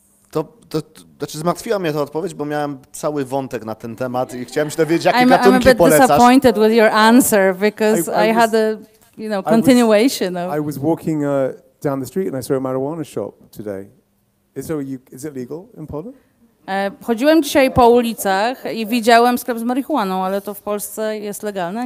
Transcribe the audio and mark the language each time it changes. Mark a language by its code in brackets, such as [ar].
[pl] To znaczy zmartwiła mnie ta odpowiedź, bo miałem cały wątek na ten temat i chciałem się dowiedzieć, jakie gatunki polecasz. [en] I'm a bit disappointed with your answer, because I had a continuation of... I was walking down the street and I saw a marijuana shop today. Is it legal in Poland? [pl] Chodziłem dzisiaj po ulicach i widziałem sklep z marihuaną, ale to w Polsce jest legalne?